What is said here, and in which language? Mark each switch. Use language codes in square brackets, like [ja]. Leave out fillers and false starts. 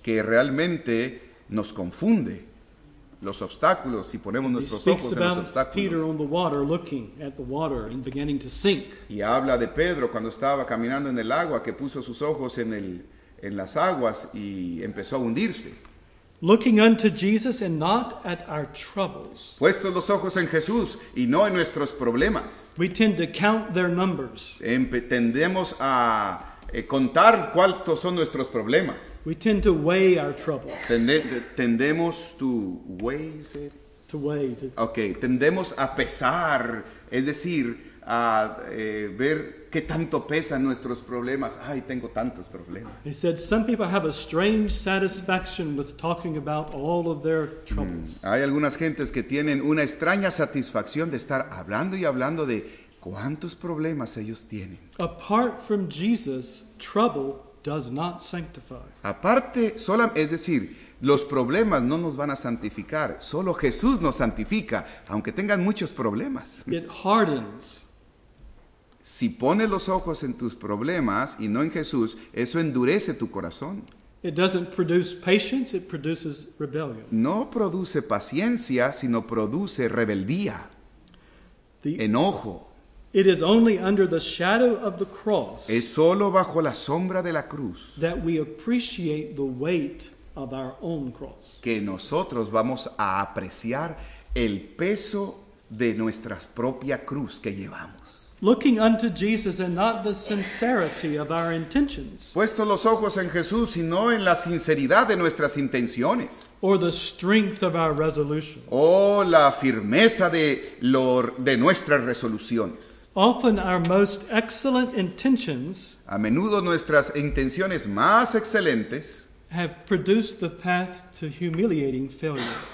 [es] Que realmente nos confunde los obstáculos si ponemos nuestros ojos en los obstáculos. [en] Peter on the water, looking at the water and beginning to sink. [es] Y habla de Pedro cuando estaba caminando en el agua, que puso sus ojos en las aguas y empezó a hundirse. [en] Looking unto Jesus and not at our troubles. [es] Puesto los ojos en Jesús y no en nuestros problemas. [en] We tend to count their numbers. [es] Tendemos a contar cuántos son nuestros problemas. [en] We tend to weigh our troubles. [es] Tendemos [en] to weigh, is it? To weigh. [es] Tendemos a pesar, es decir, a ver qué tanto pesan nuestros problemas. Ay, tengo tantos problemas. [en] He said some people have a strange satisfaction with talking about all of their troubles. [es] Hay algunas gentes que tienen una extraña satisfacción de estar hablando y hablando de cuántos problemas ellos tienen. [en] Apart from Jesus, trouble does not sanctify. [es] Aparte, solo, es decir, los problemas no nos van a santificar. Solo Jesús nos santifica, aunque tengan muchos problemas. [en] It hardens [es] si pones los ojos en tus problemas y no en Jesús, eso endurece tu corazón. [en] It doesn't produce patience, it produces rebellion. [es] No produce paciencia, sino produce rebeldía, enojo. [en] It is only under the shadow of the cross. [es] Es solo bajo la sombra de la cruz. [en] That we appreciate the weight of our own cross. [es] Que nosotros vamos a apreciar el peso de nuestra propia cruz que llevamos. [en] Looking unto Jesus and not the sincerity of our intentions. [es] Puesto los ojos en Jesús y no en la sinceridad de nuestras intenciones. [en] Or the strength of our resolutions. [es] O la firmeza de nuestras resoluciones. [en] Often our most excellent intentions. [es] A menudo nuestras intenciones más excelentes. [en] Have produced the path to humiliating failure.